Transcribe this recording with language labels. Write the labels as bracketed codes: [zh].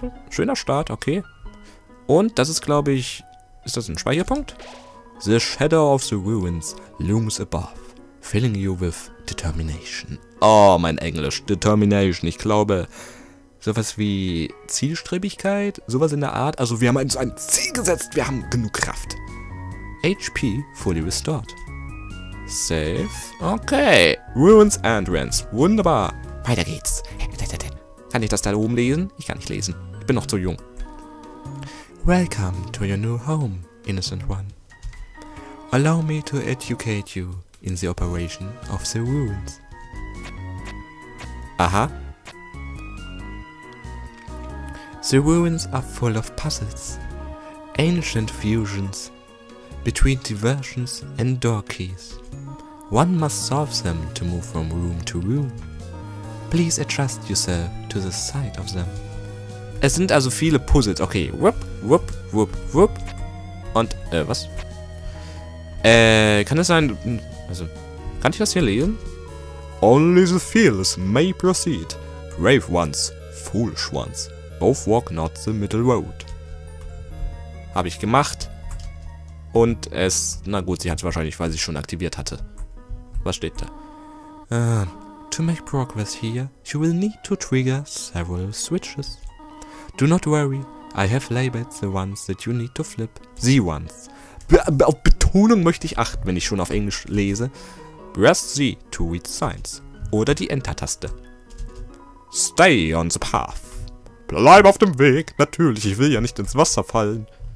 [de] Schöner Start, okay. Und das ist, glaube ich... Ist das ein Speicherpunkt? [en] The shadow of the ruins looms above, filling you with determination. [de] Oh, mein Englisch. Determination. Ich glaube, sowas wie Zielstrebigkeit, sowas in der Art. Also wir haben uns ein Ziel gesetzt, wir haben genug Kraft. [en] HP fully restored. Safe. Okay. [de] Ruins and Rents. Wunderbar. Weiter geht's. Kann ich das da oben lesen? Ich kann nicht lesen. Ich bin noch zu jung. [en] Welcome to your new home, innocent one. Allow me to educate you in the operation of the ruins. Aha. The ruins are full of puzzles, ancient fusions, between diversions and door keys. One must solve them to move from room to room. Please adjust yourself to the sight of them. [de] Es sind also viele Puzzles. Okay, wupp, wupp, wupp, wupp. Und, was? Kann es sein, also, kann ich das hier lesen? [en] Only the fearless may proceed. Brave ones, foolish ones. Both walk not the middle road. [de] Habe ich gemacht. Und es, na gut, sie hat es wahrscheinlich, weil sie es schon aktiviert hatte. Was steht da? [en] To make progress here, you will need to trigger several switches. Do not worry, I have labeled the ones that you need to flip. The ones. [de] Auf Betonung möchte ich achten, wenn ich schon auf Englisch lese. [en] Press Z to read signs. [de] Oder die Enter-Taste. [en] Stay on the path. [de] Bleib auf dem Weg. Natürlich, ich will ja nicht ins Wasser fallen.